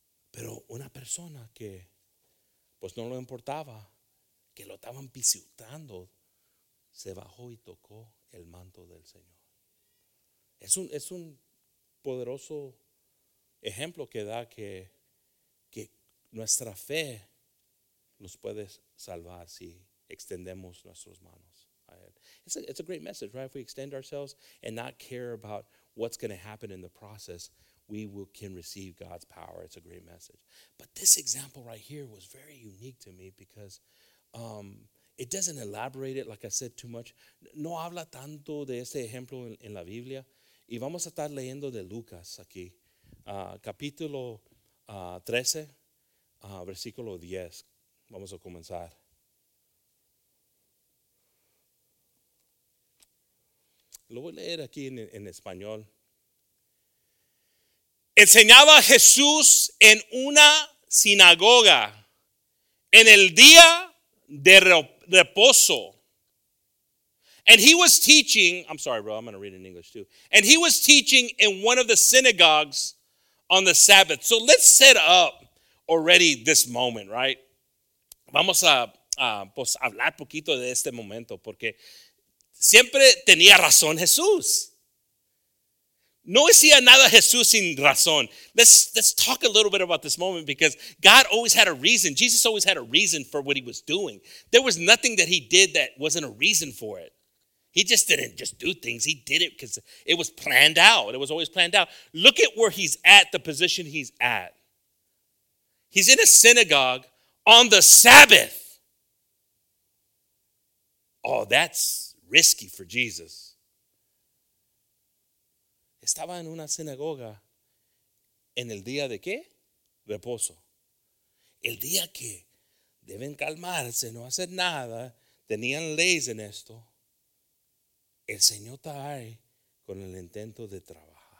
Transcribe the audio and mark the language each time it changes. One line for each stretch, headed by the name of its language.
Spanish: Pero una persona que pues no lo importaba, que lo estaban pisoteando, se bajó y tocó el manto del Señor. Es un poderoso ejemplo que da que nuestra fe nos puede salvar si extendemos nuestras manos a Él.
English: It's a great message, right? If we extend ourselves and not care about what's going to happen in the process, we can receive God's power. It's a great message. But this example right here was very unique to me because it doesn't elaborate it, like I said, too much.
Spanish: No habla tanto de este ejemplo en la Biblia. Y vamos a estar leyendo de Lucas aquí, capítulo 13, versículo 10. Vamos a comenzar. Lo voy a leer aquí en español. Enseñaba Jesús en una sinagoga en el día de reposo.
English: And he was teaching, I'm sorry, bro, I'm going to read in English too. And he was teaching in one of the synagogues on the Sabbath. So let's set up already this moment, right?
Spanish: Vamos a pues hablar poquito de este momento porque siempre tenía razón Jesús. No decía nada Jesús sin razón.
English: Let's talk a little bit about this moment because God always had a reason. Jesus always had a reason for what he was doing. There was nothing that he did that wasn't a reason for it. He just didn't just do things. He did it because it was planned out. It was always planned out. Look at where he's at, the position he's at. He's in a synagogue on the Sabbath. Oh, that's risky for Jesus.
Spanish: Estaba en una sinagoga en el día de qué? Reposo. El día que deben calmarse, no hacer nada. Tenían leyes en esto. El Señor está ahí con el intento de trabajar.